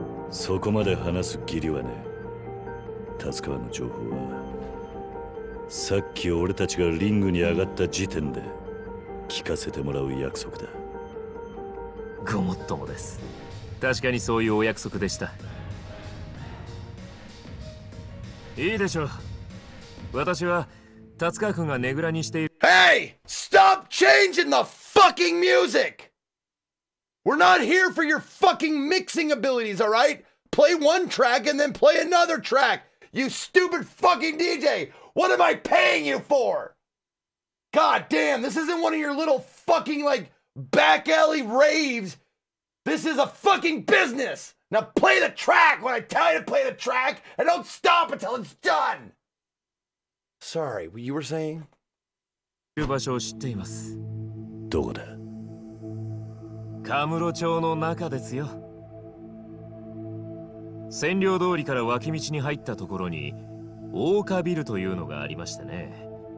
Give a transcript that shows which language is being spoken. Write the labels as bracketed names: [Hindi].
[Japanese] そこまで話す義理はね。タスカの情報は、さっき俺たちがリングに上がった時点で聞かせてもらう約束だ。ごもっともです。確かにそういうお約束でした。いいでしょう。私は、タツカ君がネグラにしている。 [English] Hey! Stop changing the fucking music! We're not here for your fucking mixing abilities, alright? Play one track and then play another track! You stupid fucking DJ! What am I paying you for? God damn, this isn't one of your little fucking, like, back alley raves! This is a fucking business! Now play the track when I tell you to play the track, and don't stop until it's done! Sorry, what you were saying? [Japanese] いう場所を知っています。どこだ？カムロ町の中ですよ。占領通りから脇道に入ったところに、大岡ビルというのがありましたね。